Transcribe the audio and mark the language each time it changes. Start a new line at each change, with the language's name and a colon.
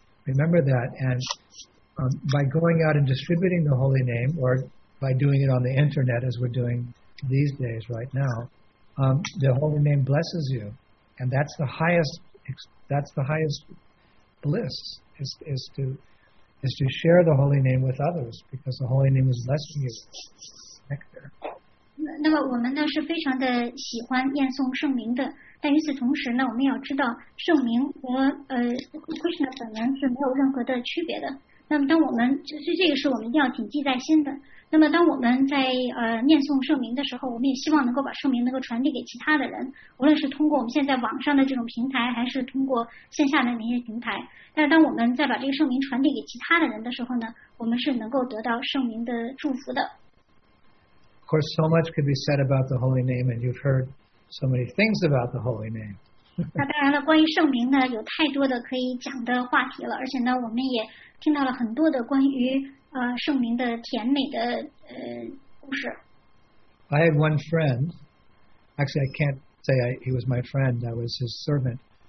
English: Remember that, and by going out and distributing the holy name, or by doing it on the internet as we're doing these days right now, the holy name blesses you, and that's the highest bliss is to share the holy name with others because the holy name is blessing you. Nectar.
Chinese: 那么我们呢是非常的喜欢念诵圣名的。但与此同时呢，我们要知道圣名和Krishna 本人是没有任何的区别的。那么当我们这个是我们一定要谨记在心的。那么当我们在念诵圣名的时候，我们也希望能够把圣名能够传递给其他的人，无论是通过我们现在网上的这种平台，还是通过线下的那些平台。但是当我们在把这个圣名传递给其他的人的时候呢，我们是能够得到圣名的祝福的。
English: Of course, so much could be said about the Holy Name, and you've heard so many things about the Holy Name.
Chinese: 那当然了，关于圣名呢，有太多的可以讲的话题了，而且呢，我们也听到了很多的关于圣名的甜美的故事。
English: I had one friend, actually I can't say he was my friend, I was his servant.